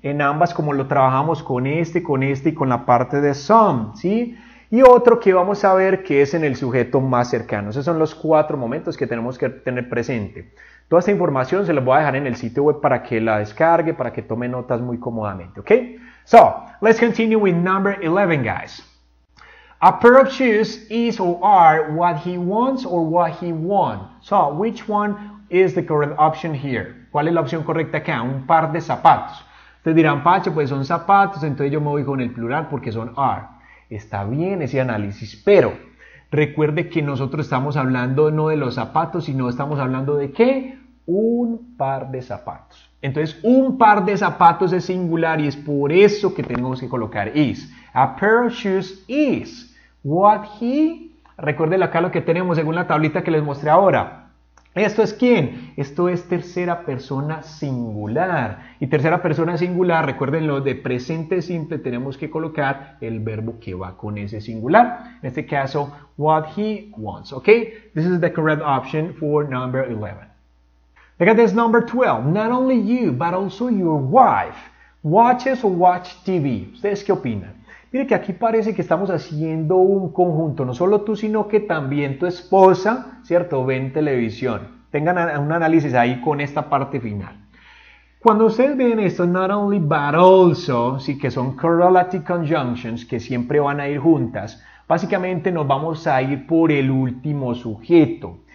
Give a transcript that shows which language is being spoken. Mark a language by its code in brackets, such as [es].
[es] En ambas, como lo trabajamos con este y con la parte de some, ¿sí? Y otro que vamos a ver que es en el sujeto más cercano. Esos son los 4 momentos que tenemos que tener presente. Toda esta información se la voy a dejar en el sitio web para que la descargue, para que tome notas muy cómodamente, ¿ok? [en] So, let's continue with number 11, guys. A pair of shoes is or are what he wants or what he want. So, which one is the correct option here? [es] ¿Cuál es la opción correcta acá? Un par de zapatos. Ustedes dirán, Pacho, pues son zapatos, entonces yo me voy con el plural porque son are. Está bien ese análisis, pero recuerde que nosotros estamos hablando no de los zapatos, sino estamos hablando de ¿qué? Un par de zapatos. Entonces, un par de zapatos es singular y es por eso que tenemos que colocar is. [en] A pair of shoes is what he... [es] Recuerden acá lo que tenemos según la tablita que les mostré ahora. ¿Esto es quién? Esto es tercera persona singular. Y tercera persona singular, recuerden lo de presente simple, tenemos que colocar el verbo que va con ese singular. En este caso, [en] what he wants. ¿Ok? This is the correct option for number 11. Look at this number 12. Not only you, but also your wife watches or watch TV. [es] ¿Ustedes qué opinan? Mire que aquí parece que estamos haciendo un conjunto. No solo tú, sino que también tu esposa, ¿cierto? Ven televisión. Tengan un análisis ahí con esta parte final. Cuando ustedes ven esto, [en] not only, but also, [es] sí, que son correlative conjunctions, que siempre van a ir juntas, básicamente nos vamos a ir por el último sujeto.